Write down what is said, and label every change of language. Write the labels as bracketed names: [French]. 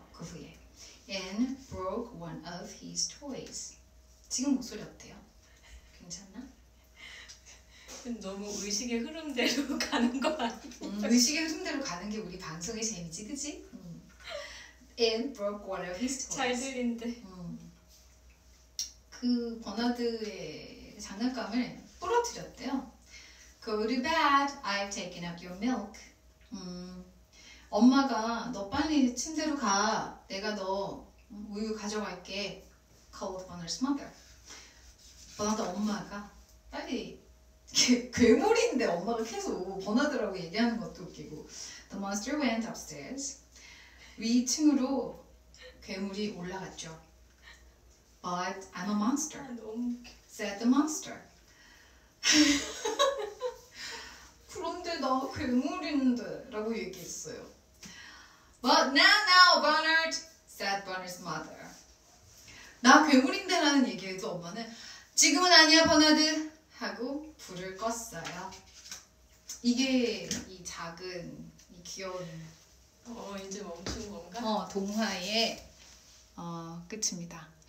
[Korean] 그 후에 [English] and broke one of his toys. [Korean] 지금 목소리 어때요? 괜찮나? 너무 의식의 흐름대로 가는 거 아니야? 의식의 흐름대로 가는 게 우리 방송의 재미지, 그지? [English] And broke one of his toys. [Korean] 잘 들린데. 그 버너드의 장난감을 부러뜨렸대요. [English] Go to bed. I've taken up your milk. [Korean] 엄마가 너 빨리 침대로 가. 내가 너 우유 가져갈게. [English] Called Bonner's mother. [Korean] 버너드 엄마가 빨리 괴물인데 엄마가 계속 버너드라고 얘기하는 것도 웃기고 [English] The monster went upstairs. [Korean] 위층으로 괴물이 올라갔죠. [English] But I'm a monster. [Korean] 너무 [English] said the monster. [Korean] 그런데 나 괴물인데 라고 얘기했어요. [English] But now, Bernard, said Bernard's mother. [Korean] 나 괴물인데 라는 얘기에도 엄마는 지금은 아니야, 버너드 하고 불을 껐어요. 이게 이 작은, 이 귀여운 이제 멈춘 건가? 동화의 끝입니다.